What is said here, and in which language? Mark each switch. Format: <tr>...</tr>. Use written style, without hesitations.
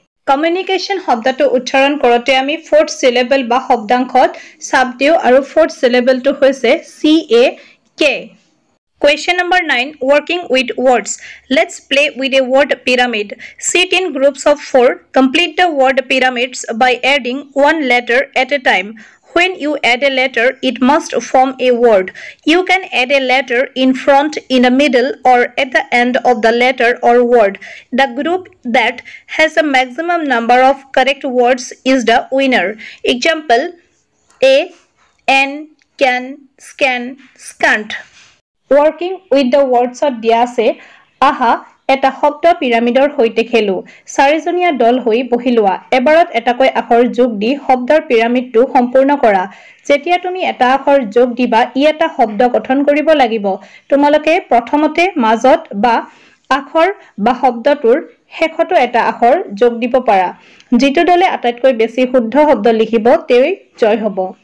<as>Communication শব্দটো উচ্চাৰণ কৰোঁতে আমি ফ'ৰ্থ চিলেবেল বা শব্দাংশত চাপ দিওঁ আৰু ফ'ৰ্থ চিলেবেলটো হৈছে C A K.</as> <en>Question number 9 working with words let's play with a word pyramid sit in groups of four complete the word pyramids by adding one letter at a time. When you add a letter, it must form a word. You can add a letter in front, in the middle, or at the end of the letter or word. The group that has the maximum number of correct words is the winner. Example, A, N, can, scan, scant. Working with the words of Dyase, aha,</en> <as>এটা শব্দ পিৰামিডৰ সৈতে খেলোঁ। চাৰিজনীয়া দল হৈ বহি লোৱা। এবাৰত এটাকৈ আখৰ যোগ দি শব্দৰ পিৰামিডটো সম্পূৰ্ণ কৰা। যেতিয়া তুমি এটা আখৰ যোগ দিবা ই এটা শব্দ গঠন কৰিব লাগিব। তোমালোকে প্ৰথমতে মাজত বা আখৰ বা শব্দটোৰ শেষতো এটা আখৰ যোগ দিব পাৰা। যিটো দলে আটাইতকৈ বেছি শুদ্ধ শব্দ লিখিব তেওঁ জয় হ'ব।</as>